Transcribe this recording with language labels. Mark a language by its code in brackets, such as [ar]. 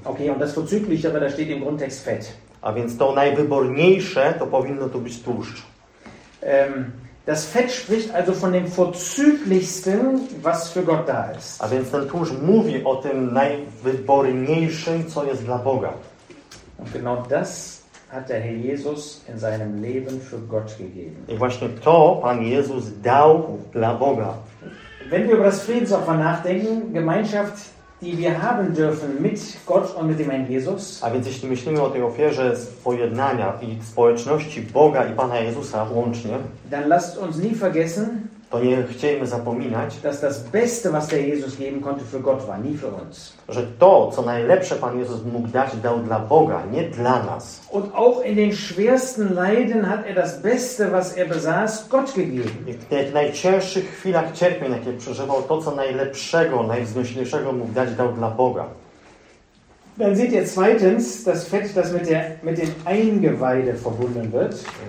[de] Okay, und das vorzüglichere, da steht im Grundtext Fett. [pl] A więc to najwyborniejsze, to powinno tu być tłuszcz. [de] Das Fett spricht also von dem vorzüglichsten, was für Gott da ist. [pl] A więc ten tłuszcz mówi o tym najwyborniejszym, co jest dla Boga. [de] Und genau das hat der Herr Jesus in seinem Leben für Gott gegeben. [pl] I właśnie to Pan Jezus dał dla Boga. [de] Wenn wir über das Friedensopfer nachdenken, Gemeinschaft die wir haben dürfen mit Gott und mit dem Herrn Jesus. [pl] A więc jeśli myślimy o tej ofierze pojednania i społeczności Boga i Pana Jezusa łącznie, [de] dann lasst uns nie vergessen, [pl] to nie chciejmy zapominać, [de] dass das Beste, was der Jesus geben konnte für Gott, war nie für uns. [pl] Że to, co najlepsze Pan Jezus mógł dać, dał dla Boga, nie dla nas. [de] Und auch in den schwersten Leiden hat er das Beste, was er besaß, Gott gegeben. [pl] I w tych najcięższych chwilach cierpień, jakie przeżywał, to, co najlepszego, najwznośniejszego mógł dać, dał dla Boga. [de] Dann seht ihr zweitens das Fett, das mit dem Eingeweide verbunden wird.